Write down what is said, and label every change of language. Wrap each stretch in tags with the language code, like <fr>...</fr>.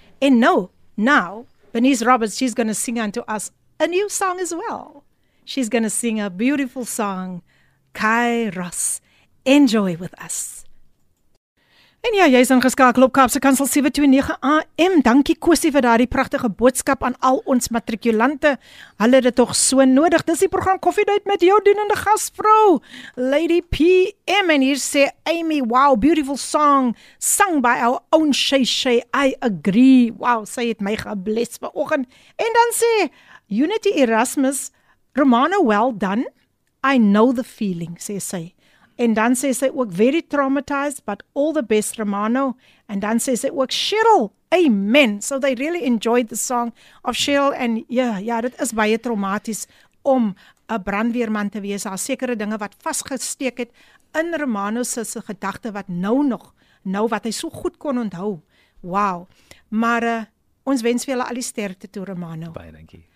<en>And now, Bernice Roberts, she's going to sing unto us a new song as well. She's going to sing a beautiful song, Kairos. Enjoy with us.</en> <af>En ja, jy is ingeskakel op Kaapse Kansel 729 AM. Dankie Kosie vir daardie pragtige boodskap aan al ons matrikulante. Hulle het dit tog so nodig. Dis die program Koffiedייט met jou dienende gasvrou, Lady PM. En hier sê</af> <en>Amy, wow, beautiful song, sung by our own Shay Shay. I agree.</en> <af>Wow, sy het my gebless vanoggend. En dan sê Unity Erasmus, Romano,</af> <en>well done. I know the feeling,</en> <af>sê sy. En dan sê sy ook,</af> <en>very traumatized, but all the best, Romano.</en> <af>En dan sê sy ook, Cheryl, amen.</af> <en>So they really enjoyed the song of Cheryl.</en> <af>En ja, dit is baie traumatisch om 'n brandweerman te wees. Daar sekere dinge wat vastgesteek het in Romano se gedagte wat nou wat hy so goed kon onthou. Wow. Maar ons wens vir julle al die sterkte toe, Romano. Baie dankie.</af>